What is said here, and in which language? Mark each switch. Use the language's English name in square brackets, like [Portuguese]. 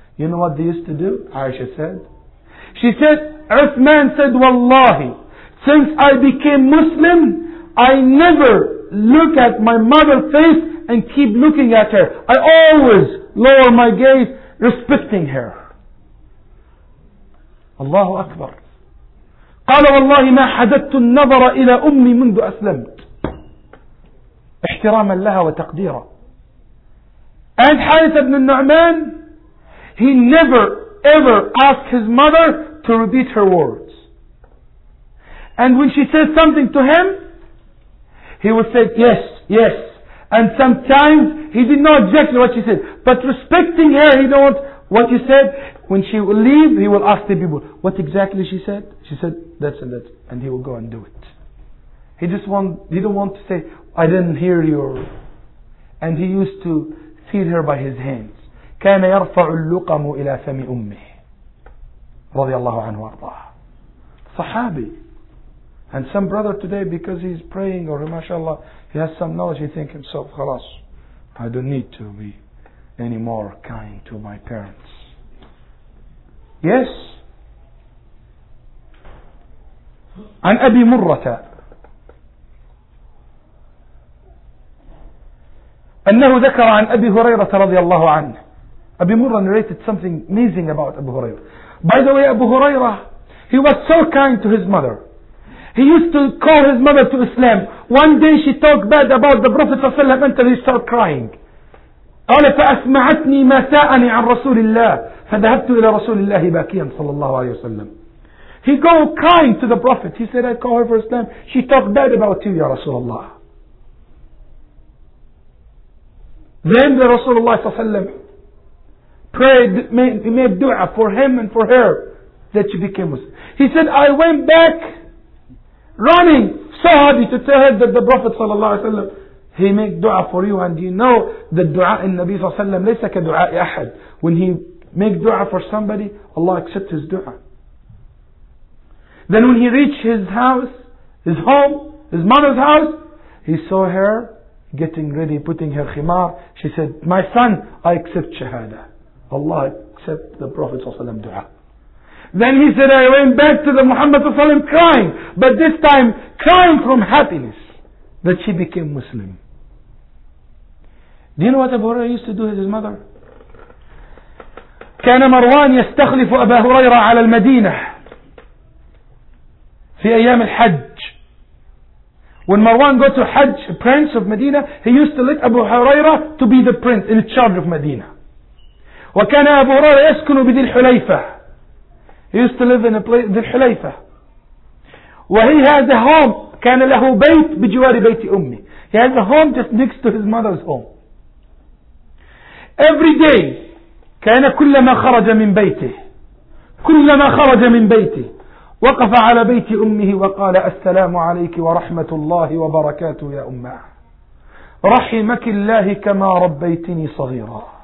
[English] You know what they used to do? Aisha said. She said, Uthman said, wallahi, since I became Muslim, I never look at my mother's face and keep looking at her. I always lower my gaze, respecting her. [Arabic] Allahu Akbar. قال والله ما حددت النظر إلى أمي منذ أسلمت. احتراما لها وتقديرا. [English] And Harith ibn Nu'man, he never ever asked his mother to repeat her words. And when she said something to him, he would say, yes, yes. And sometimes he did not exactly what she said. But respecting her, he don't want what he said. When she will leave, he will ask the people, what exactly she said? She said, that's and that. And he will go and do it. He just want, he don't want to say, I didn't hear your. And he used to feed her by his hands. [Arabic] كان يرفع اللقم إلى فم أمه. رضي الله عنه وارضاه. صحابي. [English] And some brother today, because he's praying or mashallah, he has some knowledge, he thinks himself, خلاص, I don't need to be any more kind to my parents. Yes. [Arabic] عن أبي مرة أنه ذكر عن أبي هريرة رضي الله عنه. [English] أبي مرة narrated something amazing about أبو هريرة. By the way, أبو هريرة, he was so kind to his mother. He used to call his mother to Islam. One day she talked bad about the Prophet [Arabic] صلى الله عليه وسلم [English] until he started crying. [Arabic] قال فأسمعتني ما ساءني عن رسول الله فذهبت إلى رسول الله باكيا صلى الله عليه وسلم. [English] He go crying to the Prophet. He said, I call her for Islam. She talked bad about you, Ya Rasulullah. Then the Rasulullah prayed, made dua for him and for her that she became Muslim. He said, I went back running, so happy to tell her that the Prophet he made dua for you, and you know that dua in Nabi Sallallahu Alaihi Wasallam [Arabic] ليس كدعاء أحد. [English] When he make dua for somebody, Allah accept his dua. Then when he reached his house, his home, his mother's house, he saw her getting ready, putting her khimar. She said, my son, I accept shahada. Allah accept the Prophet ﷺ dua. Then he said, I went back to the Muhammad ﷺ crying, but this time crying from happiness that she became Muslim. Do you know what Abu Hurairah used to do with his mother? [Arabic] كان مروان يستخلف أبا هريرة على المدينة في أيام الحج. [English] When Marwan go to Hajj, prince of Medina, he used to let Abu Hurairah to be the prince in charge of Medina. [Arabic] وكان أبو هريرة يسكن بذي الحليفة. [English] He used to live in a place, ذي الحليفة. [Arabic] وهي [English] has a home, [Arabic] كان له بيت بجوار بيت أمي. [English] He has a home just next to his mother's home. Every day, [Arabic] كان كلما خرج من بيته, كلما خرج من بيته, وقف على بيت أمه وقال السلام عليك ورحمة الله وبركاته يا أمه رحمك الله كما ربيتني صغيرا.